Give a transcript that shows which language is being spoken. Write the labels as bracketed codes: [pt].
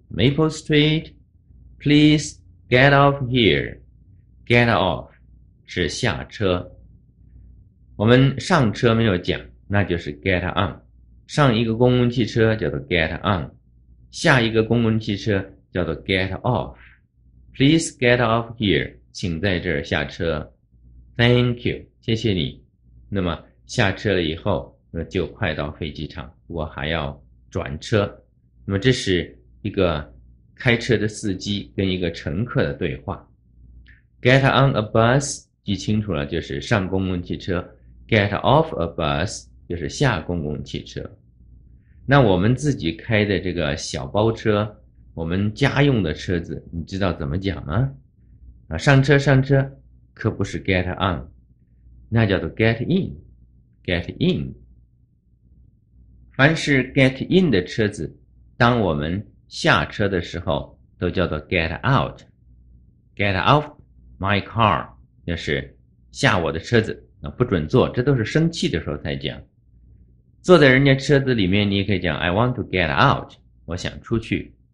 [en] Maple Street， please get off here。 [zh] Get off 是下车。我们上车没有讲，那就是 get on， 上一个公共汽车叫做 get on， 下一个公共汽车叫做 get off。 [en] Please get off here， [zh] 请在这儿下车。 [en] Thank you， [zh] 谢谢你。那么下车了以后，那就快到飞机场，我还要转车。那么这是一个开车的司机跟一个乘客的对话。 get on a bus， 记清楚了，就是上公共汽车。 Get off a bus 就是下公共汽车。那我们自己开的这个小包车，我们家用的车子，你知道怎么讲吗？上车上车，可不是 get on， 那叫做 get in， get in。凡是 get in 的车子，当我们下车的时候，都叫做 get out， [en] get off my car， [zh] 就是下我的车子。不准坐，这都是生气的时候才讲。坐在人家车子里面，你也可以讲 [en] I want to get out， [zh] 我想出去。